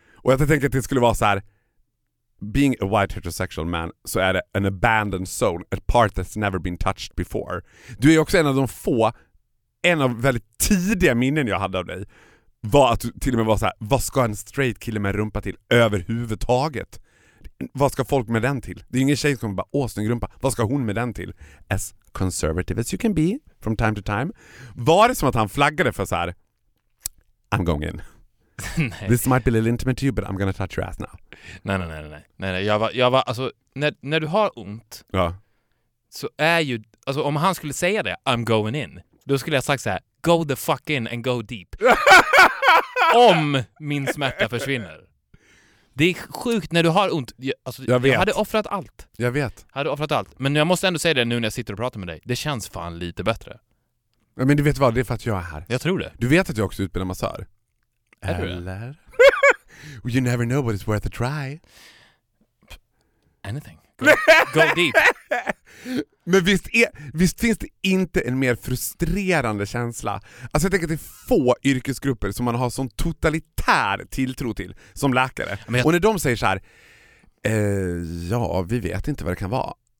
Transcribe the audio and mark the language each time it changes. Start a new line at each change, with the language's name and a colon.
Swedish: Och jag tänker att det skulle vara så här,
English: being a white heterosexual man,
Swedish: så är det
English: an abandoned soul, a part that's never been touched before.
Swedish: Du är också en av de få, en av väldigt tidiga minnen jag hade av dig, var att du till och med var så här, vad ska en straight kille med rumpa till överhuvudtaget? Vad ska folk med den till? Det är ingen tjej som bara, åh, snygg rumpa. Vad ska hon med den till?
English: As conservative as you can be, from time to time.
Swedish: Var det som att han flaggade för så här,
English: I'm going in. This might be a little intimate to you, but I'm gonna touch your ass now.
Swedish: Nej, nej, nej, nej, nej, nej. Jag var alltså, när du har ont, ja, så är ju, alltså om han skulle säga det,
English: I'm going in,
Swedish: då skulle jag sagt så här,
English: go the fuck in and go deep.
Swedish: Om min smärta försvinner. Det är sjukt när du har ont. Jag hade offrat allt. Jag vet. Hade offrat allt. Men jag måste ändå säga det nu när jag sitter och pratar med dig. Det känns fan lite bättre. Ja, men du vet vad, det är för att jag är här. Jag tror det. Du vet att jag också utbildar massör. Eller?
English: You never know what it's worth a try. Anything. Go deep.
Swedish: Men visst finns det inte en mer frustrerande känsla? Alltså jag tänker att det är få yrkesgrupper som man har sån totalitär tilltro till som läkare. Och när de säger så här, ja, vi vet inte vad det kan vara.